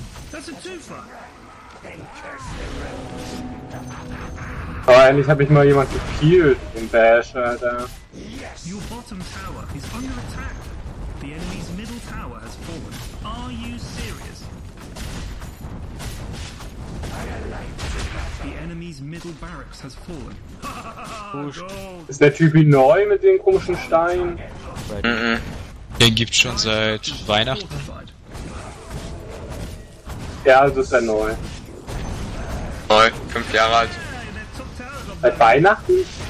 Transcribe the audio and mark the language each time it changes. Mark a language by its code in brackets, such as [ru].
[de] Das ist Zufall. Aber eigentlich habe ich mal jemand gekillt, den Bash, Alter. [en] Your bottom tower is under attack. The enemy's middle tower has fallen. Are you serious? The enemy's middle barracks has fallen. [de] Ist der Typ neu mit den komischen Steinen? Den gibt's schon seit Weihnachten. Ja, also ist er neu. Neu, 5 Jahre alt. Seit Weihnachten?